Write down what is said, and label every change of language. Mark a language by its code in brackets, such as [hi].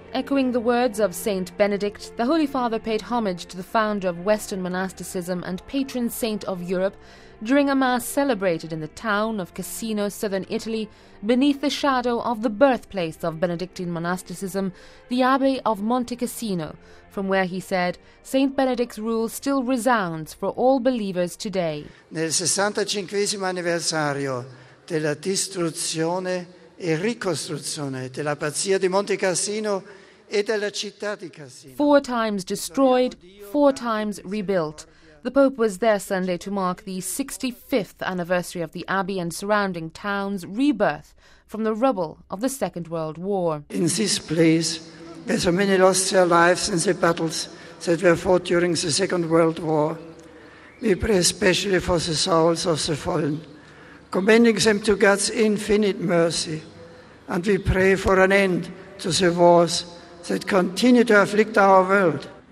[en] Echoing the words of Saint Benedict, the Holy Father paid homage to the founder of Western monasticism and patron saint of Europe during a mass celebrated in the town of Cassino, southern Italy, beneath the shadow of the birthplace of Benedictine monasticism, the Abbey of Monte Cassino, from where he said, Saint Benedict's rule still resounds for all believers today. [it] Nel 65° anniversario della distruzione e ricostruzione dell'abbazia di Monte Cassino e della città di Cassino. [en] Four times destroyed, four times rebuilt. The Pope was there Sunday to mark the 65th anniversary of the abbey and surrounding town's rebirth from the rubble of the Second World War. In this place, where so many lost their lives in the battles that were fought during the Second World War, we pray especially for the souls of the fallen, commending them to God's infinite mercy, and we pray for an end to the wars that continue to afflict our world.